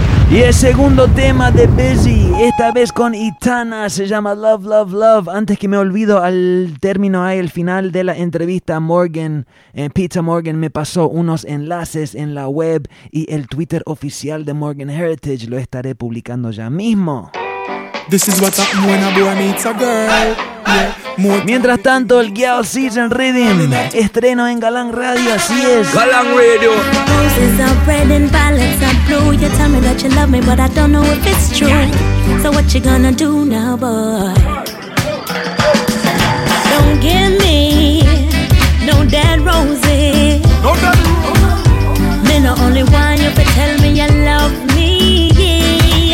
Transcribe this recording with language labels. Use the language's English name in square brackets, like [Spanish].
[Spanish] Y el segundo tema de Busy, esta vez con Itana, se llama Love, Love, Love. Antes que me olvido, al término ahí, el final de la entrevista, Morgan, Peter Morgan me pasó unos enlaces en la web y el Twitter oficial de Morgan Heritage, lo estaré publicando ya mismo. [English] This is what's up when a boy meets a girl. [Spanish] Mientras tanto, el Girl Season Rhythm estreno en Galán Radio, así es. Galán Radio. [English] Roses are red and violets are blue. You tell me that you love me, but I don't know if it's true. So what you gonna do now, boy? Don't give me no dead roses. No dead roses. Me no only want you to tell me you love me.